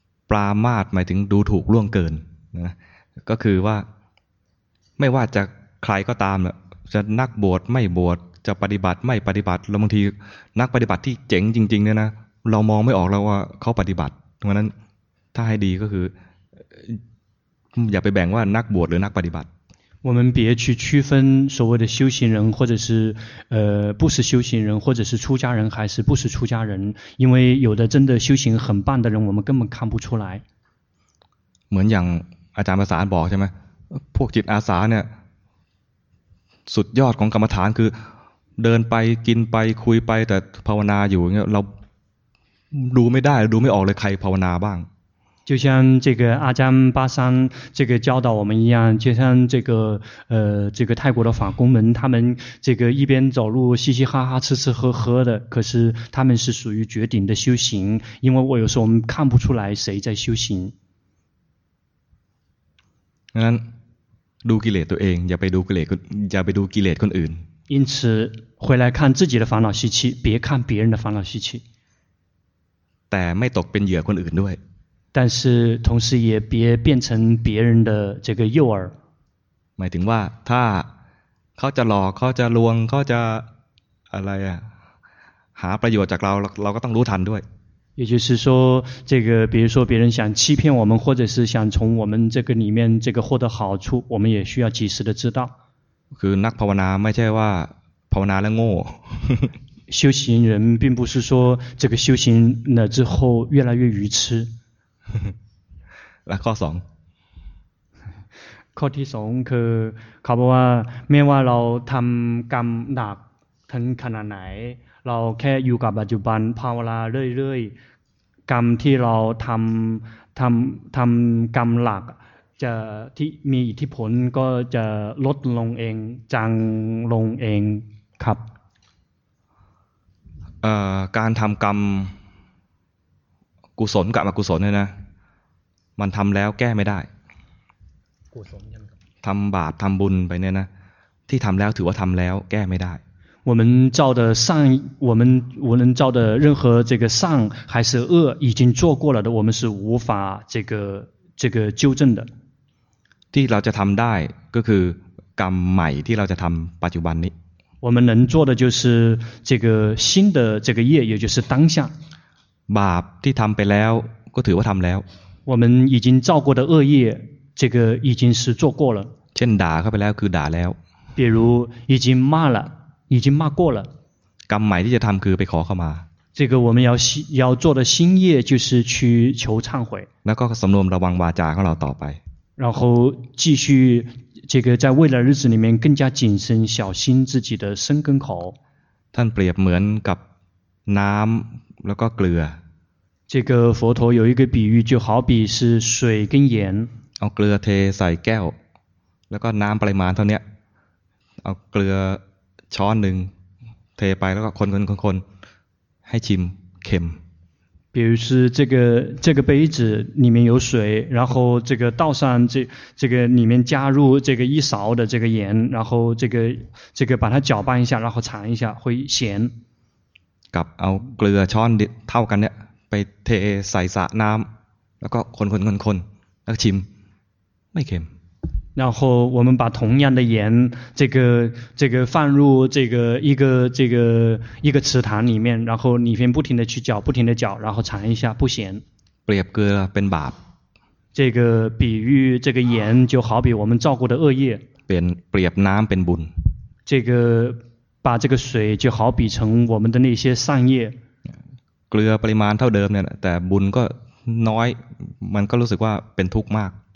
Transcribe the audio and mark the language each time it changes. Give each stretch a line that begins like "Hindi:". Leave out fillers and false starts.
Thai: ปรามาสหมายถึงดูถูกล่วงเกินนะก็คือว่าไม่ว่าจะใครก็ตามจะนักบวชไม่บวชจะปฏิบัติไม่ปฏิบัติแล้วบางทีนักปฏิบัติที่เจ๋งจริงๆเนี่ยนะเรามองไม่ออกแล้วว่าเขาปฏิบัติเพราะนั้นถ้าให้ดีก็คืออย่าไปแบ่งว่านักบวชหรือนักปฏิบัติ
Chinese: 我们别去区分所谓的修行人或者是不是修行人或者是出家人还是不是出家人因为有的真的修行很棒的人我们根本看不出来
Thai: เหมือนอย่างอาจารย์ประสานบอกใช่ไหมพวกจิตอาสาเนี่ยสุดยอดของกรรมฐานคือเดินไปกินไปคุยไปแต่ภาวนาอยู่เงี้ยเราดูไม่ได้ดูไม่ออกเลยใครภาวนาบ้าง
Chinese: 就像这个阿占巴桑这个教导我们一样就像这个这个泰国的法公们他们这个一边走路嘻嘻哈哈吃吃喝喝的可是他们是属于绝顶的修行因为我有时候我们看不出来谁在修行
Thai: งั้นดูกิเลสตัวเองอย่าไปดูกิเลสอย่าไปดูกิเลสคนอื่น
Chinese: 因此回来看自己的烦恼习气别看别人的烦恼习气
Thai: แต่ไม่ตกเป็นเหยื่อคนอื่นด้วย แต่
Chinese: 同时也别变成别人的这个诱饵
Thai: หมายถึงว่าถ้าเขาจะหลอกเขาจะลวงเขาจะอะไรอ่ะหาประโยชน์จากเราก็ต้องรู้ทันด้วย
Chinese: 也就是说这个比如说别人想欺骗我们或者是想从我们这个里面这个获得好处我们也需要及时的知道
Thai: คือนักภาวนาไม่ใช่ว่าภาวนาแล้วโง่
Chinese: 修行人并不是说这个修行了之后越来越愚痴
Thai: และข้อ2 ข้อที่2คือเขาบอกว่าไม่ว่าเราทำกรรมหนักถึงขนาดไหนเราแค่อยู่กับปัจจุบันภาวนาเรื่อยๆกรรมที่เราทำกรรมหลักจะที่มีอิทธิพลก็จะลดลงเองจางลงเองครับ การทำกรรมกุศลกับอกุศลเนี่ยนะมันทำแล้วแก้ไม่ได้กุศล ทำบาปทำบุญไปเนี่ยนะที่ทำแล้วถือว่าทำแล้วแก้ไม่ได้
Chinese: 我们造的善我们无论造的任何这个善还是恶已经做过了的我们是无法这个纠正的
Thai: ที่เราจะทำได้ก็คือกรรมใหม่ที่เราจะทำปัจจุบันนี้
Chinese: 我们能做的就是这个新的这个业也就是当下
Thai: บาปที่ทำไปแล้วก็ถือว่าทำแล้ว
Chinese: 我们已经造过的恶业这个已经是做过了
Thai: เช่นด่าเข้าไปแล้วคือด่าแล้ว
Chinese: 比如已经骂了已经骂过了
Thai: กรรมใหม่ที่จะทำคือไปขอเข้ามา
Chinese: 这个我们要做的新业就是去求忏悔
Thai: แล้วก็สำรวมระวังวาจาของเราต่อไป
Chinese: 然后继续这个在未来日子里面更加谨慎小心自己的身跟口
Thai: ท่านเปรียบเหมือนกับน้ำแล้วก็เกลือ
Chinese: 这个佛陀有一个比喻就好比是水跟盐
Thai: เอาเกลือเทใส่แก้วแล้วก็น้ำปริมาณเท่านี้เอาเกลือช้อนหนึ่งเทไปแล้วก็คนให้ชิมเค็ม
Chinese: 比如是这个杯子里面有水然后这个倒上这个里面加入这个一勺的这个盐然后这个把它搅拌一下然后尝一下会咸
Thai: กับเอาเกลือช้อนเท่ากันเนี่ยไปเทใส่สระน้ำแล้วก็คนแล้วชิมไม่เค็ม
Chinese: 然后我们把同样的盐这个放入这个池塘里面然后里面不停的搅然后尝一下不咸
Thai: เปรียบเกลือเป็นบาป
Chinese: 这个比喻这个盐就好比我们造过的恶业
Thai: เปรียบน้ำเป็นบุญ
Chinese: 这个把这个水就好比成我们的那些善业
Thai: เกลือปริมาณเท่าเดิมเนี่ยแต่บุญก็น้อยมันก็รู้สึกว่าเป็นทุกข์มาก